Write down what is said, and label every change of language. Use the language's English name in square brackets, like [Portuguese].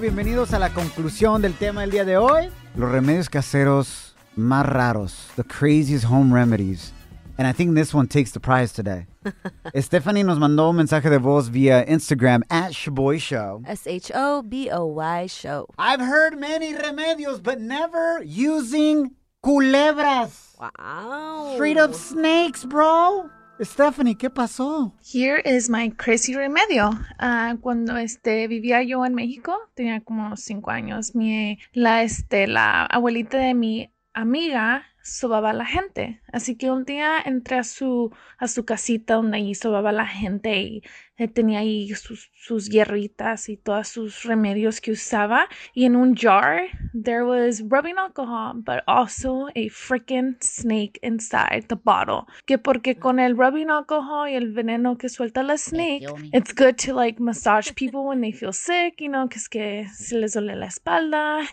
[Spanish] Bienvenidos a la conclusión del tema del día de hoy. Los remedios caseros más raros. [English] The craziest home remedies. And I think this one takes the prize today. [Spanish] Stephanie nos mandó un mensaje de voz via Instagram at Shaboy Show. [English] S-H-O-B-O-Y Show. I've heard many remedios, but never using culebras. Wow. Straight up snakes, bro. Stephanie, [Spanish] ¿qué pasó? [English] Here is my crazy remedio. [Spanish] Cuando vivía yo en México, tenía como 5 años, la abuelita de mi amiga sobaba a la gente. Así que un día entré a su casita donde ahí sobaba a la gente y tenía ahí sus hierritas y todos sus remedios que usaba. Y en un [English] jar, there was rubbing alcohol, but also a freaking snake inside the bottle. [Spanish] Que porque con el rubbing alcohol y el veneno que suelta la snake, [English] it's good to like massage people when they feel sick, you know, [Spanish] que es que se les duele la espalda.